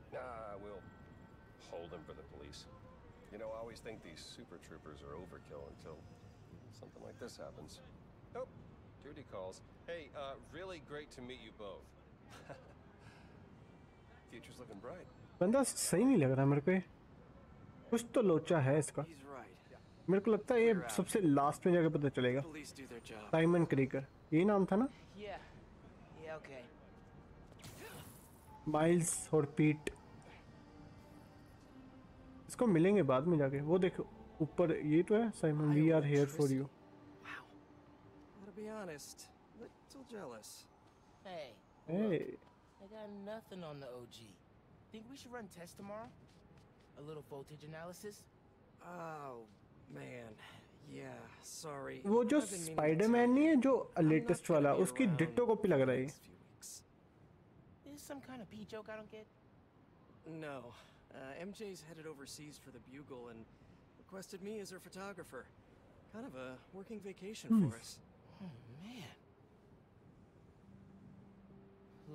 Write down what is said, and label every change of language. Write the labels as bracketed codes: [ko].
[en] Nah, we'll hold him for the police. You know, I always think these super troopers are overkill until something like this happens. Oh, duty calls. Hey, really great to meet you both. Future's looking bright. [hi] बंदा सही नहीं लग रहा मेरे को ये. कुछ तो लोचा है इसका. [en] He's right. [hi] मेरे को लगता है ये सबसे लास्ट में जाके पता चलेगा. [en] Police do their job. [hi] Simon Krieger. ये नाम था ना? [en] Yeah. Yeah, okay. [hi] माइल्स और पीट इसको मिलेंगे बाद में जाके वो देखो ऊपर ये तो है Simon [en] we are here for you to be honest little jealous hey hey I got nothing on the OG think we should run test tomorrow a little voltage analysis oh man yeah sorry [hi] वो जो Spiderman नहीं है जो latest वाला उसकी ditto copy लग रही है [en] Some kind of pee joke I don't get? No. MJ's headed overseas for the Bugle and requested me as her photographer. Kind of a working vacation for us. Oh, man.